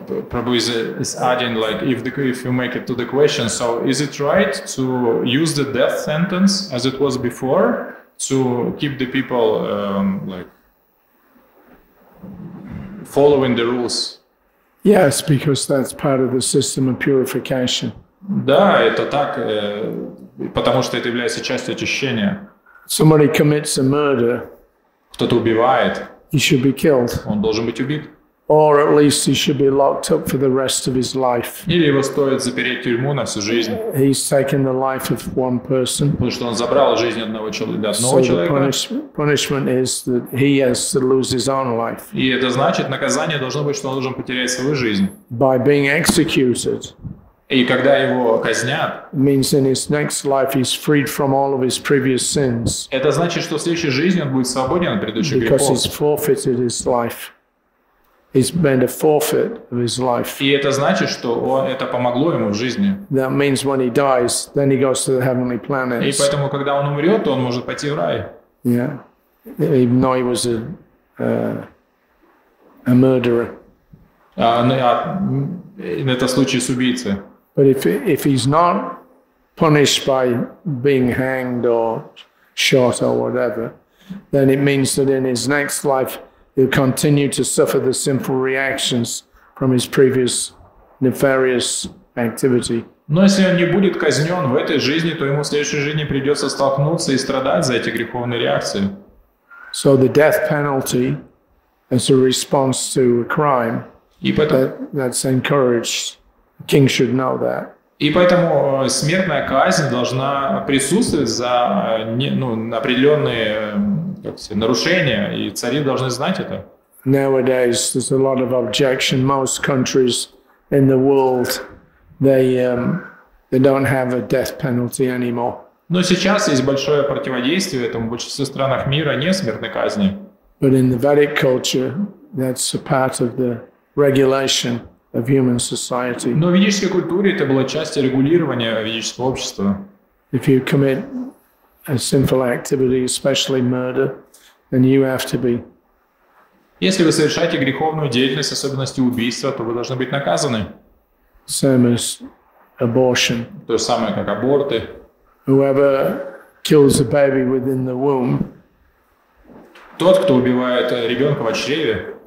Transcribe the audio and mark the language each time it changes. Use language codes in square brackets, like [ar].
[en] Probably is adding like if you make it to the question. So is it right to use the death sentence as it was before to keep the people like following the rules? Yes, because that's part of the system of purification. [ru] Да, это так, потому что это является частью очищения. [en] Somebody commits a murder. [ru] Кто-то убивает. [en] He should be killed. [ru] Он должен быть убит. [en] Or at least he should be locked up for the rest of his life. [ru] Или его стоит запереть в тюрьму на всю жизнь. [en] He's taken the life of one person. [ru] Потому что он забрал жизнь одного человека. [en] So the punishment is that he has to lose his own life. [ru] И это значит, наказание должно быть, что он должен потерять свою жизнь. [en] By being executed. [ru] И когда его казнят, [en] means in his next life he's freed from all of his previous sins. [ru] Это значит, что в следующей жизни он будет свободен от предыдущих грехов. [en] Because he's forfeited his life. He's made a forfeit of his life. [ru] И это значит, что это помогло ему в жизни. [en] That means when he dies, then he goes to the heavenly planets. [ru] И поэтому, когда он умрет, то он может пойти в рай. [en] Yeah. Even though he was a murderer. In [ru] этот случай с убийцей. [en] But if he's not punished by being hanged or shot or whatever, then it means that in his next life he'll continue to suffer the sinful reactions from his previous nefarious activity. [ru] Но если он не будет казнен в этой жизни, то ему в следующей жизни придется столкнуться и страдать за эти греховные реакции. [en] So the death penalty as a response to a crime. [ru] И поэтому [en] that's encouraged. King should know that. [ru] И поэтому смертная казнь должна присутствовать за определенные нарушения, и цари должны знать это. [en] Nowadays there's a lot of objection. Most countries in the world they don't have a death penalty anymore. [ru] Но сейчас есть большое противодействие этому. В большинстве стран мира нет смертной казни. [en] But in the Vedic culture, that's a part of the regulation of human society. [ru] Но в ведической культуре это была часть регулирования ведического общества. [en] If you commit a sinful activity, especially murder, then you have to be. [ru] Если вы совершаете греховную деятельность, особенности убийства, то вы должны быть наказаны. [en] Same as abortion. [ru] То же самое, как аборты. [en] Whoever kills a baby within the womb, [ru] тот, кто убивает ребенка в чреве,